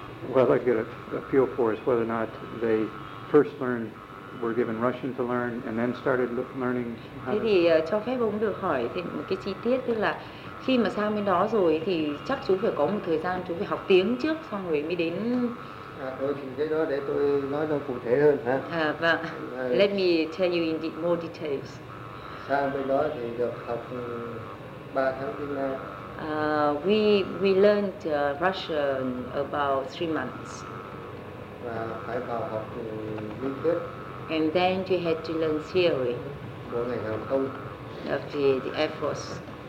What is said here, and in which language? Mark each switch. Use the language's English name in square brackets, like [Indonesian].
[English] What I'd like to get a feel for is whether or not they first learned. Were given Russian to learn and then started learning how [Vietnamese] Thế thì cho phép ông được hỏi thêm một cái chi tiết tức là khi mà sang bên đó rồi thì chắc chú phải có một thời gian chú phải học tiếng trước xong rồi mới đến thì cái đó để tôi nói nó cụ thể hơn hả? [English] Vâng. Let me tell you in more details. [Vietnamese] Sang bên đó thì được học 3 tháng tiếng Nga. [English] We learned Russian about 3 months. [Vietnamese] Và phải vào học lý thuyết. [English] And then you had to learn theory of the Air Force.